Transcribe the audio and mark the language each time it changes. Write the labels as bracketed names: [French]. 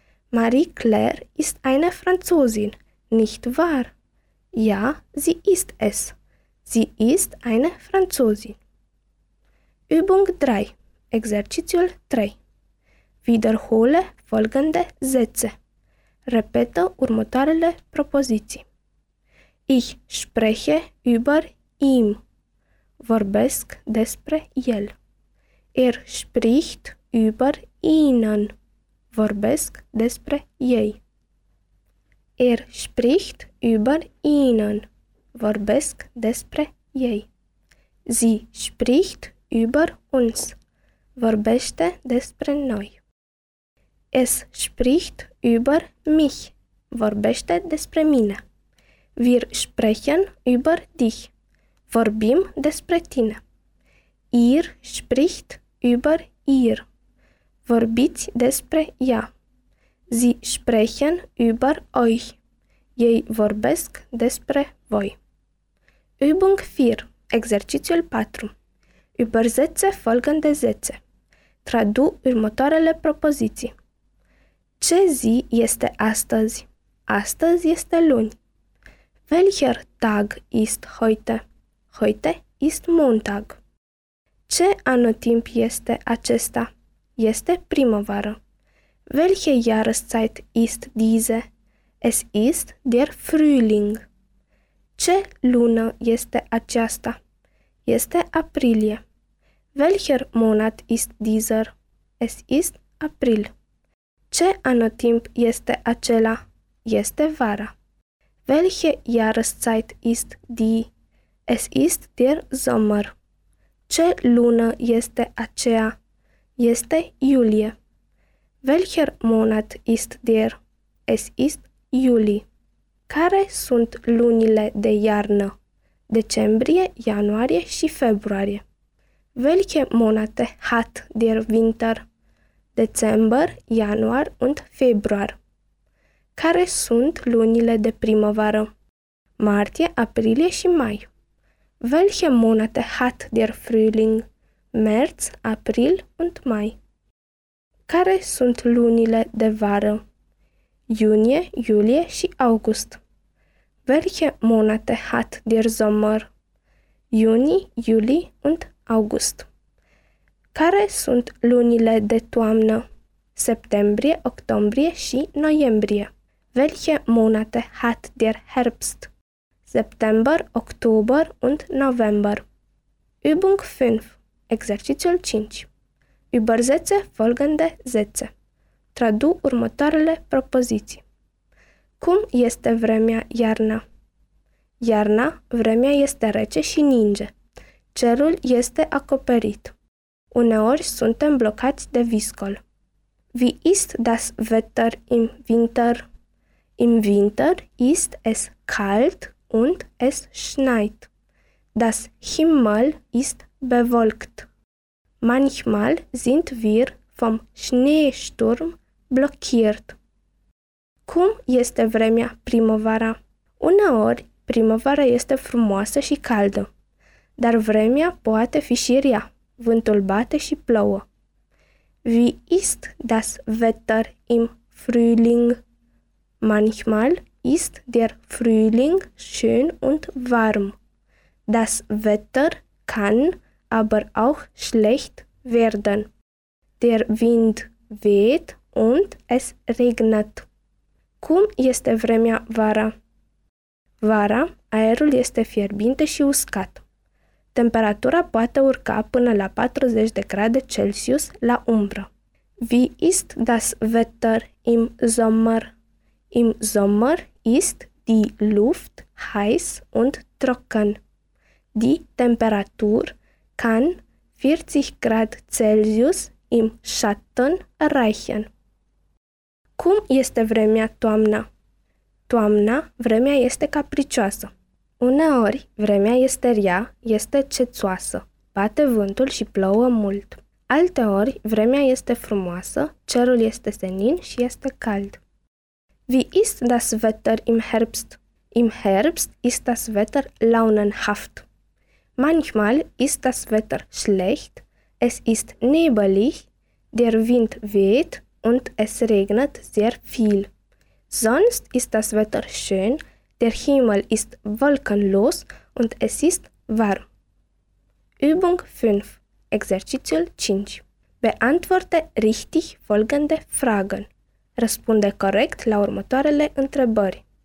[German] Marie-Claire ist eine Franzosin, nicht wahr? Ja, sie ist es. Sie ist eine Franzosin. Übung 3. [Romanian] Exercițiul 3. [German] Wiederhole folgende Sätze. [Romanian] Repetă următoarele propoziții. [German] Ich spreche über ihm. [Romanian] Vorbesc despre el. [German] Spricht über ihnen. [Romanian] Vorbesc despre ei. [German] Spricht über ihnen. [Romanian] Vorbesc despre ei. [German] Sie spricht über uns. [Romanian] Vorbește despre noi. [German] Spricht über mich. [Romanian] Vorbește despre mine. [German] Wir sprechen über dich. [Romanian] Vorbim despre tine. [German] Spricht über ihr. [Romanian] Vorbiți despre ea. [German] Sie sprechen über euch. [Romanian] Ei vorbesc despre voi. [German] Übung 4. [Romanian] Exercițiul 4. [German] Übersetze folgende Sätze. [Romanian] Tradu următoarele propoziții. Ce zi este astăzi? Astăzi este luni. [German] Welcher Tag ist heute? Heute ist Montag. [Romanian] Ce anotimp este acesta? Este primăvară. [German] Welche Jahreszeit ist diese? Es ist der Frühling. [Romanian] Ce lună este aceasta? Este aprilie. [German] Welcher Monat ist dieser? Es ist April. [Romanian] Ce anotimp este acela? Este vara. [German] Welche Jahreszeit ist die? Es ist der Sommer. [Romanian] Ce lună este aceea? Este iulie. [German] Welcher Monat ist der? Es ist Juli. [Romanian] Care sunt lunile de iarnă? Decembrie, ianuarie și februarie. [German] Welche Monate hat der Winter? Dezember, Januar und Februar. [Romanian] Care sunt lunile de primăvară? Martie, aprilie și mai. [German] Welche Monate hat der Frühling? März, April und Mai. [Romanian] Care sunt lunile de vară? Iunie, iulie și august. [German] Welche Monate hat der Sommer? [Romanian] iunie, iulie und august. Care sunt lunile de toamnă? Septembrie, octombrie și noiembrie. [German] Welche Monate hat der Herbst? September, Oktober und November. Übung 5. [Romanian] Exercițiul 5. [German] Übersetze folgende Sätze. [Romanian] Tradu următoarele propoziții. Cum este vremea iarna? Iarna, vremea este rece și ninge. Cerul este acoperit. Uneori suntem blocați de viscol. [German] Wie ist das Wetter im Winter? Im Winter ist es kalt und es schneit. Das Himmel ist bewolkt. Manchmal sind wir vom Schneesturm blockiert. [Romanian] Cum este vremea primăvara? Uneori, primăvara este frumoasă și caldă. Dar vremea poate fi și rea. Vântul bate și plouă. [German] Wie ist das Wetter im Frühling? Manchmal ist der Frühling schön und warm. Das Wetter kann aber auch schlecht werden. Der Wind weht und es regnet. [Romanian] Cum este vremea vara? Vara, aerul este fierbinte și uscat. Temperatura poate urca până la 40 de grade Celsius la umbră. [German] Wie ist das Wetter im Sommer? Im Sommer ist die Luft heiß und trocken. Die Temperatur kann 40 Grad Celsius im Schatten erreichen. [Romanian] Cum este vremea toamna? Toamna, vremea este capricioasă. Uneori, vremea este rea, este cețoasă, bate vântul și plouă mult. Alteori, vremea este frumoasă, cerul este senin și este cald. [German] Wie ist das Wetter im Herbst? Im Herbst ist das Wetter launenhaft. Manchmal ist das Wetter schlecht, es ist nebelig, der Wind weht und es regnet sehr viel. Sonst ist das Wetter schön, der Himmel ist wolkenlos und es ist warm. Übung 5. [Romanian] Exercițiul 5. [German] Beantworte richtig folgende Fragen. [Romanian] Răspunde corect la următoarele întrebări.